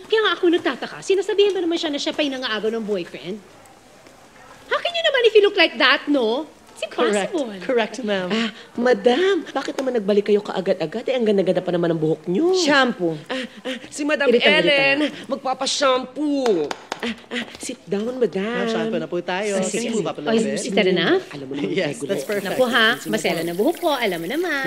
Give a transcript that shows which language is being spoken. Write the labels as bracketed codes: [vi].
[tl] Kaya nga ako nagtataka, sinasabihin ba naman siya na siya pa'y nangaagaw ng boyfriend? [en] How can you naman if you look like that, no? It's impossible. Correct, ma'am. [tl] Ah, madam, bakit naman nagbalik kayo kaagad-agad? Eh, ang ganda-ganda pa naman ang buhok niyo. Shampoo. Si Madam Ellen, magpapashampoo. [en] Sit down, madam. [tl] Ma'am, shampoo na po tayo. Oh, sige. [en] Oh, is that enough? [tl] Alam mo naman. [en] Yes, that's perfect. [tl] Na po ha, masela na buhok ko, alam mo naman.